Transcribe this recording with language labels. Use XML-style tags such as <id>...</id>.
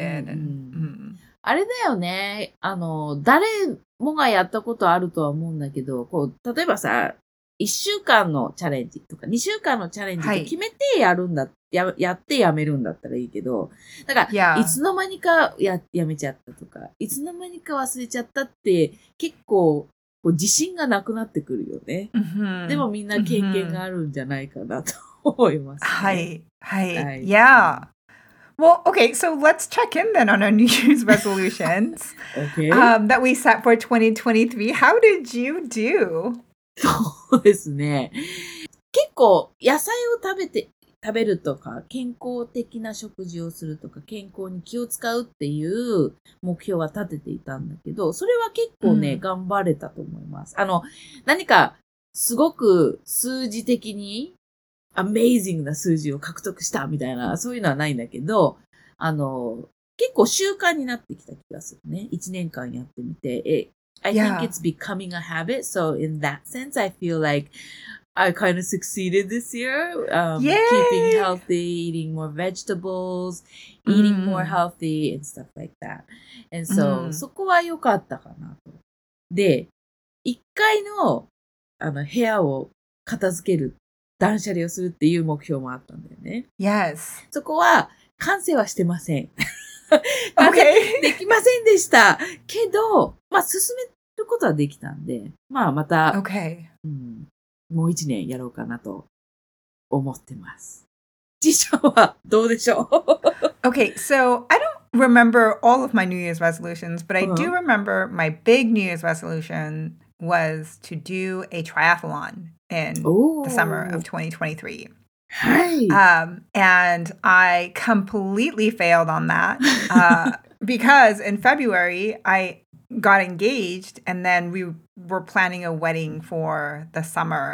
<en>And,</en> <ja>あれだよね。誰もがやったことあるとは思うんだけど、こう、例えばさ、一週間のチャレンジとか、二週間のチャレンジと決めてやるんだ、はい、やってやめるんだったらいいけど、だから、yeah. いつの間にかやめちゃったとか、いつの間にか忘れちゃったって、結構こう自信がなくなってくるよね。 Mm-hmm. でもみんな経験があるんじゃないかなと思います、ね。はい。はい。はい、yeah.</ja> <en>Well, okay, so let's check in then on our New Year's resolutions okay. That we set for 2023. How did you do?</en> <ja>そうですね。結構野菜を食べるとか、健康的な食事をするとか、健康に気を使うっていう目標は立てていたんだけど、それは結構ね、うん、頑張れたと思います。何かすごく数字的にアメイジングな数字を獲得したみたいな、そういうのはないんだけど、結構習慣になってきた気がするね。 1年間やってみて。</ja> <en>I think it's becoming a habit. So in that sense, I feel like I kind of succeeded this year. Keeping healthy, eating more vegetables, eating more healthy and stuff like that. And so,</en> <ja>そこは良かったかなと。で、一階の、部屋を片付ける、断捨離をするっていう目標もあったんだよね。</ja> <en>Yes.</en> <ja>そこは完成はしてません。</ja> <en>Okay.</en> <ja>できませんでした。けど、まあ、進めることはできたんで、まあ、また、</ja> <en>okay.</en> <ja>もう一年やろうかなと思ってます。次章はどうでしょう?</ja> <en>Okay, so I don't remember all of my New Year's resolutions, but I do remember my big New Year's resolution was to do a triathlon in the summer of 2023. Hi. And I completely failed on that because in February I got engaged and then we were planning a wedding for the summer.</en>